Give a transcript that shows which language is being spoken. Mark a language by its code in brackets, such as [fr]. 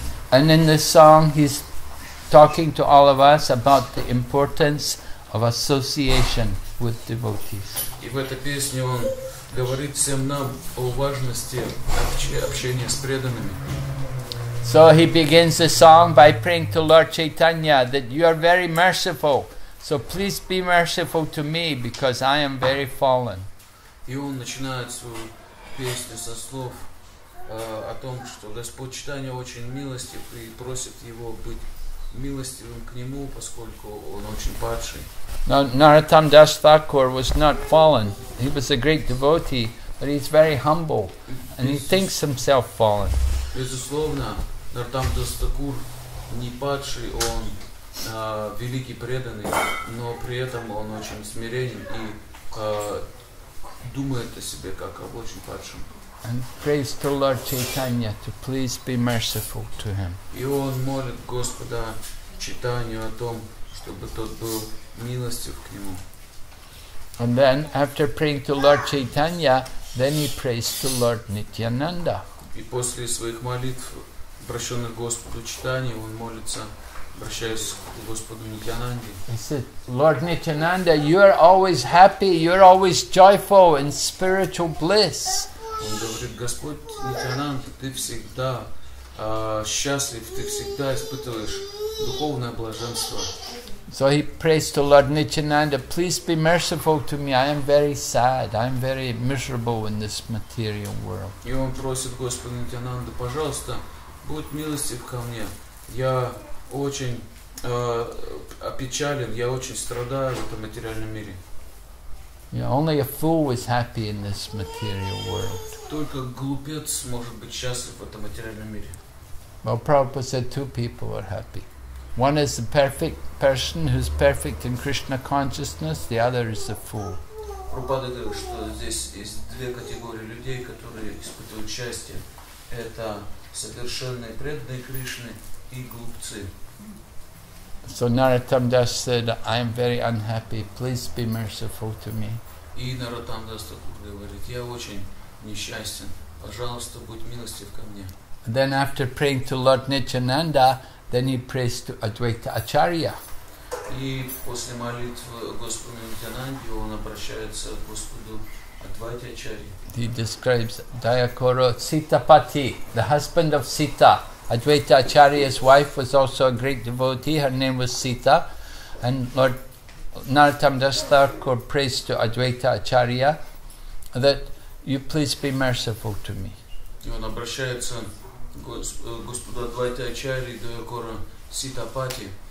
[en] And in this song, he's talking to all of us about the importance of association with devotees. [ru] И в этой песне он говорит всем нам о важности общения с преданными. [en] So he begins the song by praying to Lord Chaitanya that you are very merciful. So please be merciful to me because I am very fallen. [ru] И он начинает свою песню со слов. О том, что Господь Читания очень милостив и просит его быть милостивым к нему, поскольку он очень падший. [en] Now, Narottam Das Thakur was not fallen. He was a great devotee, but he's very humble, and he thinks himself fallen. [ru] Безусловно, Narottam Das Thakur не падший, он великий преданный, но при этом он очень смиренен и думает о себе как об очень падшем. [en] And prays to Lord Chaitanya to please be merciful to him. [ru] И он молит Господа Читанию о том, чтобы тот был милостив к нему. [en] And then, after praying to Lord Chaitanya, then he prays to Lord Nityananda. [ru] И после своих молитв, обращенных Господу Читанию, он молится, обращаясь к Господу Нитянанде. [en] He said, Lord Nityananda, you are always happy, you are always joyful in spiritual bliss. [ru] Он говорит, Господь Нитянанда, ты всегда счастлив, ты всегда испытываешь духовное блаженство. [en] So he prays to Lord Nityananda, please be merciful to me, I am very sad, I am very miserable in this material world. [ru] И он просит Господа Нитянанда, пожалуйста, будь милостив ко мне, я очень опечален, я очень страдаю в этом материальном мире. [en] You know, only a fool is happy in this material world. [ru] Только глупец может быть счастлив в этом материальном мире. [en] Well, Prabhupada said two people are happy. One is the perfect person who's perfect in Krishna consciousness. The other is the fool. [ru] Прабхупада говорит, что здесь есть две категории людей, которые испытывают счастье. Это совершенные преданные Кришны и глупцы. [en] So Narottam Das said, I am very unhappy, please be merciful to me. [ru] И Narottam Das говорит, я очень несчастен, пожалуйста, будь милостив ко мне. [en] Then after praying to Lord Nityananda, then he prays to Advaita Acharya. [ru] И после молитвы Господу Нитянанде, он обращается к Господу Адвайте Ачарье. [en] He describes Dayakoro Sitapati, the husband of Sita. Advaita Acharya's wife was also a great devotee. Her name was Sita. And Lord Narottam Das Thakur prays to Advaita Acharya that you please be merciful to me. [ru] Он обращается к Господу Адвайте Ачарье, Дайакора Ситапати.